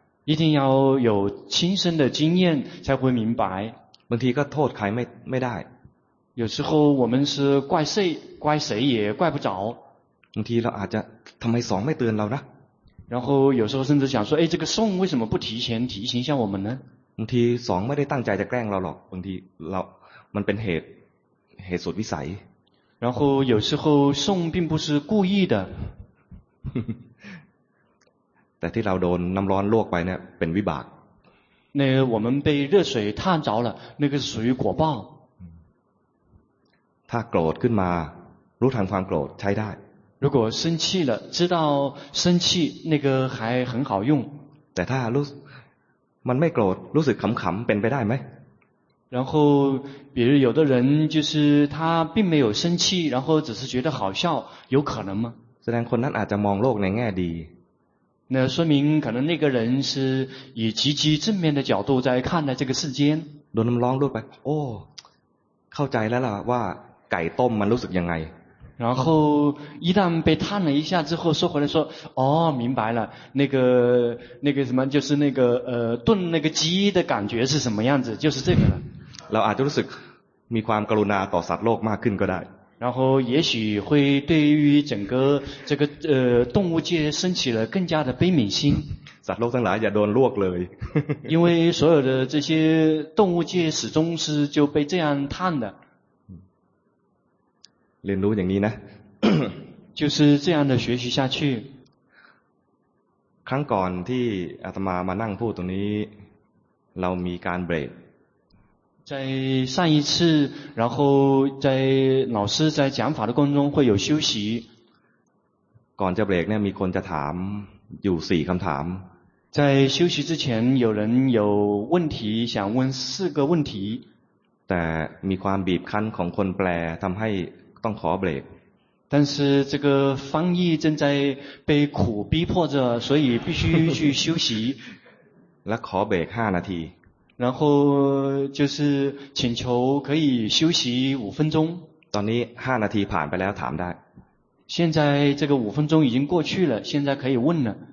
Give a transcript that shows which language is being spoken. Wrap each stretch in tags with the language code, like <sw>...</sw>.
<zh>一定要有亲身的经验才会明白</zh> <th>บางทีก็โทษใครไม่ได้</th> <zh>有时候我们是怪谁也怪不着</zh> <th>บางทีเราอาจจะทำไมสองไม่เตือนเรานะ</th> <zh>然后有时候甚至想说哎这个送为什么不提前提醒一下我们呢</zh> <th>บางทีสองไม่ได้ตั้งใจจะแกล้งเราหรอกบางทีเรามันเป็นเหตุสุดวิสัย</th> <zh>然后有时候送并不是故意的</zh> <th>แต่ที่เราโดนน้ำร้อนลวกไปเนี่ยเป็นวิบาก</th> <zh>那我们被热水烫着了那个是属于果报</zh> <th>ถ้าโกรธขึ้นมารู้ทันความโกรธใช้ได้</th> <zh>如果生气了知道生气那个还很好用</zh> <th>แต่ถ้ารู้มันไม่โกรธรู้สึกขำๆเป็นไปได้ไหม</th> <zh>然后比如有的人就是他并没有生气然后只是觉得好笑有可能吗</zh> <th>แสดงคนนั้นอาจจะมองโลกในแง่ดี</th> <zh>那说明可能那个人是以积极正面的角度在看待这个世间</zh> <th>โดนน้ำร้อนลวกไปโอ้เข้าใจแล้วล่ะว่าไก่ต้มมันรู้สึกยังไง</th> <zh>然后一旦被烫了一下之后说回来说哦明白了那个什么就是那个炖那个鸡的感觉是什么样子就是这个了</zh> <th>เราอาจจะรู้สึกมีความกรุณาต่อสัตว์โลกมากขึ้นก็ได้</th> <zh>然后也许会对于整个这个动物界升起了更加的悲悯心。</zh> <th>สัตว์โลกทั้งหลายจะโดนลวกเลย</th> <zh>因为所有的这些动物界始终是就被这样烫的</zh> <th>เรียนรู้อย่างนี้นะ</th> <zh>就是这样的学习下去</zh> <th>ครั้งก่อนที่อาตมามานั่งพูดตรงนี้เรามีการเบรก</th> <zh>在上一次然后在老师在讲法的过程中会有休息</zh> <th>ก่อนจะเบรกเนี่ยมีคนจะถามอยู่สี่คำถาม</th> <zh>在休息之前有人有问题想问四个问题</zh> <th>แต่มีความบีบคั้นของคนแปลทำให้ต้องขอเบรก</th> <zh>但是这个翻译正在被苦逼迫着所以必须去休息</zh> <th>และขอเบรก5นาที</th> <zh>然后就是请求可以休息五分钟</zh> <th>ตอนนี้5นาทีผ่านไปแล้วถามได้</th> <zh>现在这个五分钟已经过去了现在可以问了</zh>